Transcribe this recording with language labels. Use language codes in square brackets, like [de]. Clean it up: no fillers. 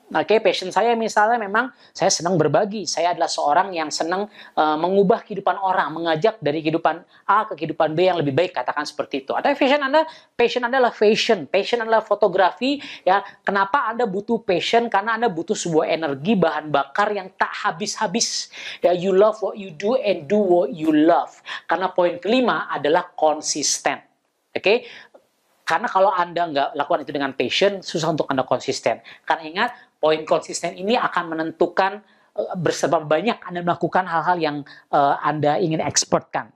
[id] Oke, passion saya misalnya memang saya senang berbagi. Saya adalah seorang yang senang mengubah kehidupan orang, mengajak dari kehidupan A ke kehidupan B yang lebih baik, katakan seperti itu. Ada passion Anda adalah fashion, passion adalah fotografi. Ya, kenapa Anda butuh passion? Karena Anda butuh sebuah energi, bahan bakar yang tak habis-habis. [en] Ya, you love what you do and do what you love. [id] Karena poin kelima adalah konsisten. Oke, karena kalau Anda nggak lakukan itu dengan passion, susah untuk Anda konsisten. Karena ingat, poin konsisten ini akan menentukan berseberapa banyak Anda melakukan hal-hal yang Anda ingin expertkan.